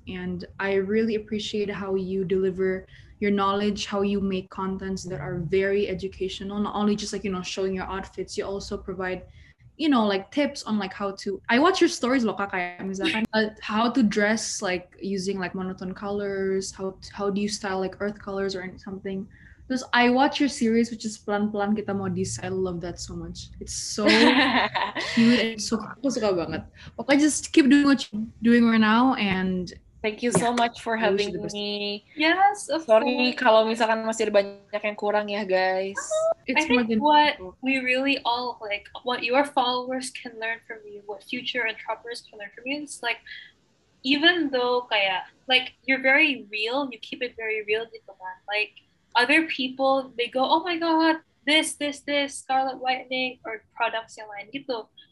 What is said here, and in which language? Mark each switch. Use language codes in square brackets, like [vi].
[en] And I really appreciate how you deliver your knowledge, how you make contents that are very educational, not only just like, you know, showing your outfits, you also provide, you know, like tips on like how to, I watch your stories [id] loh kakak, [en] misalkan how to dress like using like monotone colors, how do you style like earth colors or something. [id] Terus [en] I watch your series which is Pelan-pelan Kita Modis. I love that so much. It's so cute and so, [id] aku suka banget. Pokoknya [en] just keep doing what you're doing right now, and thank you so much for having me. Yes, of sorry course. [id] Kalau misalkan masih ada banyak yang kurang ya guys. [en] It's, I think, more than what people, we really all like, what your followers can learn from you, what future entrepreneurs can learn from you, it's like, even though [id] kayak, [en] like, you're very real, you keep it very real, like, other people, they go, oh my god, this, Scarlet Whitening, or products [id] yang lain gitu.